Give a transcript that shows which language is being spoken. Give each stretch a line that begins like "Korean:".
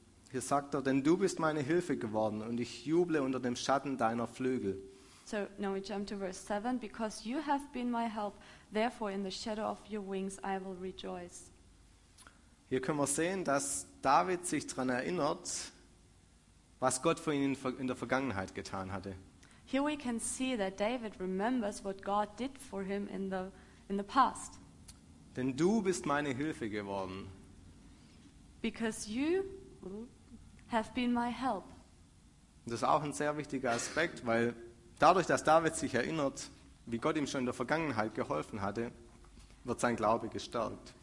German: Hier sagt er, denn du bist meine Hilfe geworden und ich juble unter dem Schatten deiner Flügel.
English: So now we jump to verse 7. Because you have been my help, therefore in the shadow of your wings I will rejoice.
German: Hier können wir sehen, dass David sich daran erinnert, was Gott für ihn in der Vergangenheit getan hatte.
English: Here we can see that David remembers what God did for him in the past.
German: Denn du bist meine Hilfe geworden.
English: Because you have been my help.
German: Das ist auch ein sehr wichtiger Aspekt, weil dadurch, dass David sich erinnert, wie Gott ihm schon in der Vergangenheit geholfen hatte, wird sein Glaube gestärkt.